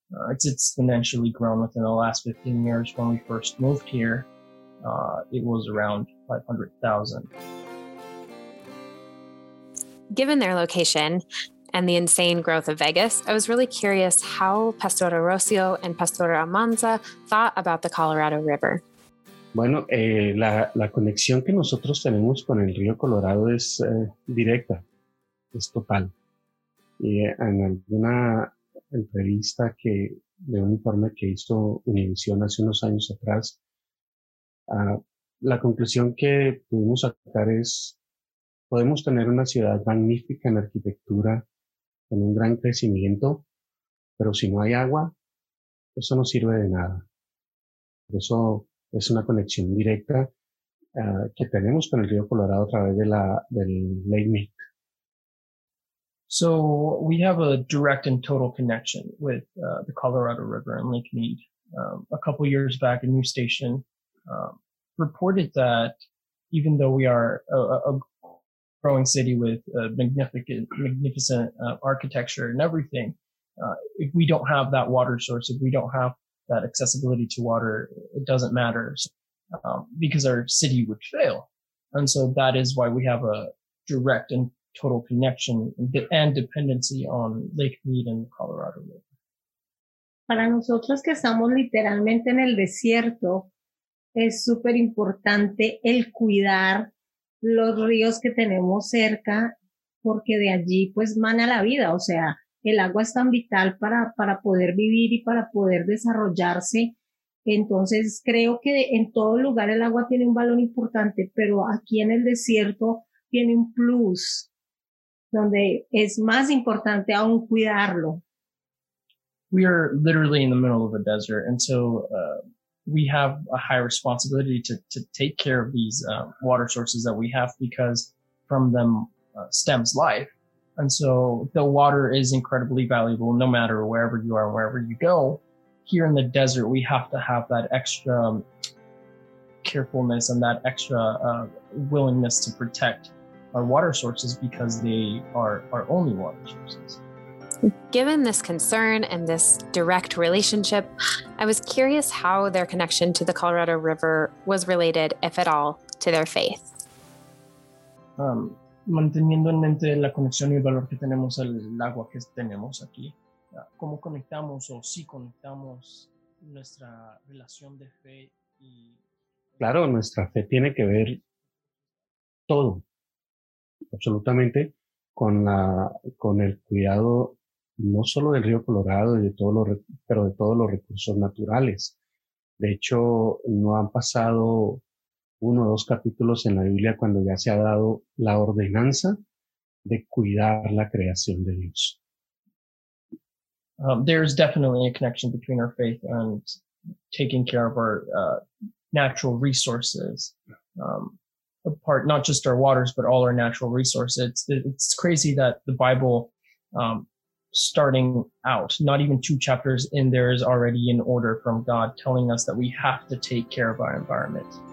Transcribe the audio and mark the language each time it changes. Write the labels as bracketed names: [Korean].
[English] It's exponentially grown within the last 15 years. When we first moved here, it was around 500,000. Given their location and the insane growth of Vegas, I was really curious how Pastor Rocio and Pastor Almanza thought about the Colorado River. [Spanish] Bueno, la conexión que nosotros tenemos con el río Colorado es directa, es total. Y en alguna entrevista que de un informe que hizo Univision hace unos años atrás, la conclusión que pudimos sacar es: podemos tener una ciudad magnífica en arquitectura, con un gran crecimiento, pero si no hay agua, eso no sirve de nada. Por eso es una conexión directa que tenemos con el río Colorado a través de la del Lake Mead. [English] So we have a direct and total connection with the Colorado River and Lake Mead. A couple years back, a new station reported that even though we are a growing city with a magnificent architecture and everything, if we don't have that water source, if we don't have that accessibility to water, it doesn't matter, because our city would fail. And so that is why we have a direct and total connection and dependency on Lake Mead and the Colorado River. [Spanish] Para nosotros que estamos literalmente en el desierto, es súper importante el cuidar los ríos que tenemos cerca, porque de allí pues mana la vida. O sea, el agua es tan vital para poder vivir y para poder desarrollarse. Entonces creo que en todo lugar el agua tiene un valor importante, pero aquí en el desierto tiene un plus, donde es más importante aún cuidarlo. [English] We are literally in the middle of a desert, and so we have a high responsibility to take care of these water sources that we have, because from them stems life. And so the water is incredibly valuable no matter wherever you are, wherever you go. Here in the desert, we have to have that extra carefulness and that extra willingness to protect our water sources, because they are our only water sources. Given this concern and this direct relationship, I was curious how their connection to the Colorado River was related, if at all, to their faith. [Spanish] Manteniendo en mente la conexión y el valor que tenemos al agua que tenemos aquí, ¿cómo conectamos o si conectamos nuestra relación de fe? Y... Claro, nuestra fe tiene que ver todo, absolutamente, con el cuidado no solo del río Colorado y de todos los, pero de todos los recursos naturales. De hecho, no han pasado uno o dos capítulos en la Biblia cuando ya se ha dado la ordenanza de cuidar la creación de Dios. [English] There's definitely a connection between our faith and taking care of our natural resources. Apart, not just our waters, but all our natural resources. It's crazy that the Bible, starting out, not even two chapters in, there is already an order from God telling us that we have to take care of our environment.